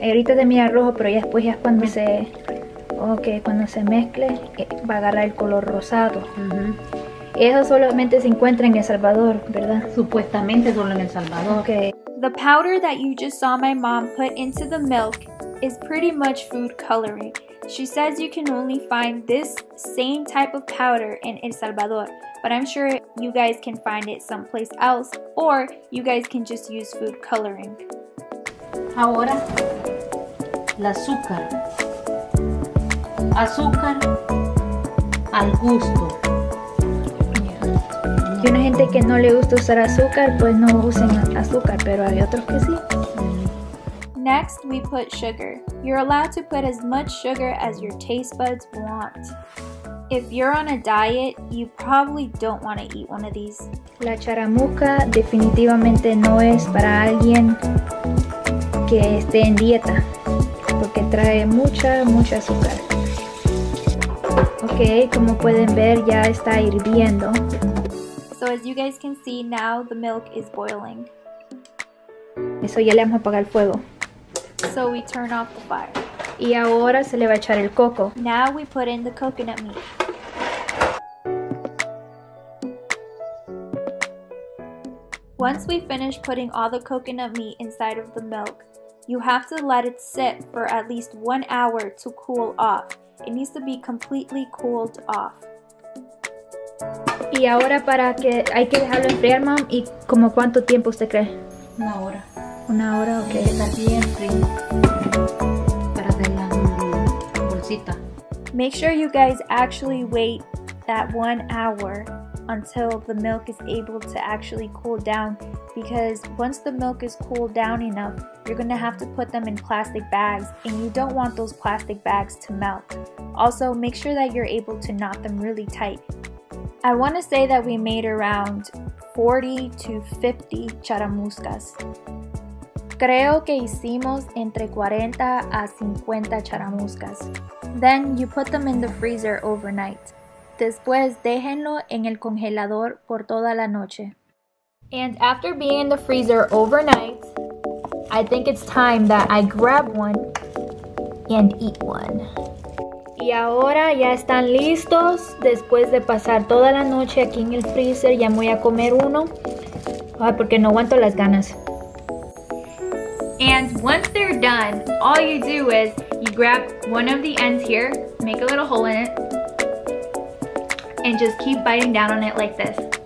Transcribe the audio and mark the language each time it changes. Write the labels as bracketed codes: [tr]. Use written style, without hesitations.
[es] Ahorita te mira rojo, pero ya después ya es cuando se... Ok, cuando se mezcle, va a agarrar el color rosado. Uh-huh. Eso solamente se encuentra en El Salvador, ¿verdad? Supuestamente solo en El Salvador. [en] Okay. The powder that you just saw my mom put into the milk is pretty much food coloring. She says you can only find this same type of powder in El Salvador, but I'm sure you guys can find it someplace else, or you guys can just use food coloring. [es] Ahora, el azúcar. Azúcar al gusto. Y una gente que no le gusta usar azúcar, pues no usen azúcar, pero hay otros que sí. [en] Next, we put sugar. You're allowed to put as much sugar as your taste buds want. If you're on a diet, you probably don't want to eat one of these. [es] La charamuca definitivamente no es para alguien que esté en dieta, porque trae mucha, mucha azúcar. Okay, como pueden ver, ya está hirviendo. [en] So as you guys can see, now the milk is boiling. [es] Eso ya le vamos a apagar el fuego. [en] So we turn off the fire. [es] Y ahora se le va a echar el coco. [en] Now we put in the coconut meat. Once we finish putting all the coconut meat inside of the milk, you have to let it sit for at least 1 hour to cool off. It needs to be completely cooled off. [es] Y ahora para que hay que dejarlo enfriar, mom, ¿y como cuánto tiempo usted cree? Una hora. Una hora, ok. Y está bien frío para hacer la bolsita. [en] Make sure you guys actually wait that 1 hour until the milk is able to actually cool down, because once the milk is cooled down enough, you're gonna have to put them in plastic bags, and you don't want those plastic bags to melt. Also, make sure that you're able to knot them really tight. I want to say that we made around 40 to 50 charamuscas. [es] Creo que hicimos entre 40 a 50 charamuscas. [en] Then you put them in the freezer overnight. [es] Después déjenlo en el congelador por toda la noche. [en] And after being in the freezer overnight, I think it's time that I grab one and eat one. [es] Y ahora ya están listos. Después de pasar toda la noche aquí en el freezer, ya me voy a comer uno. Ay, porque no aguanto las ganas. [en] And once they're done, all you do is you grab one of the ends here, make a little hole in it, and just keep biting down on it like this.